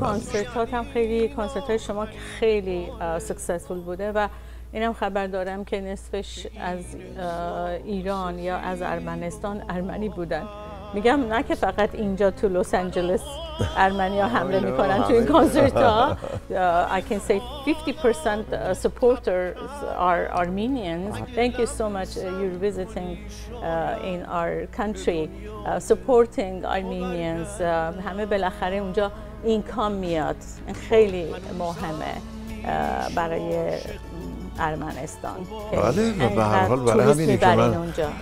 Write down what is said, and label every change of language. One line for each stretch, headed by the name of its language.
Persian: کنسرتات هم خیلی کنسرت های شما که خیلی سکسسفول بوده و اینم خبر دارم که نصفش از ایران یا از ارمنستان ارمنی بودن. میگم نه که فقط اینجا تو لس آنجلس ارمنیا حمله میکنن تو این کنسرت ها.
English: I can say 50% supporters are Armenians. Thank you so much you're visiting in our country, supporting Armenians.
Persian: همه بالاخره اونجا این کام میاد. خیلی مهمه برای ارمنستان. بله و به هر حال برای همینی که من